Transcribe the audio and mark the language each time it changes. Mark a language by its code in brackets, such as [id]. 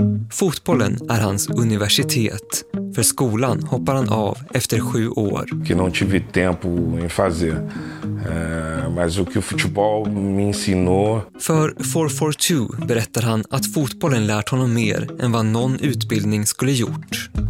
[sv] Fotbollen är hans universitet. För skolan hoppar han av efter 7 år. Jag har inte haft tid att göra. [pt] Mas o que o futebol me ensinou. [sv] För 442 berättar han att fotbollen lärt honom mer än vad någon utbildning skulle gjort.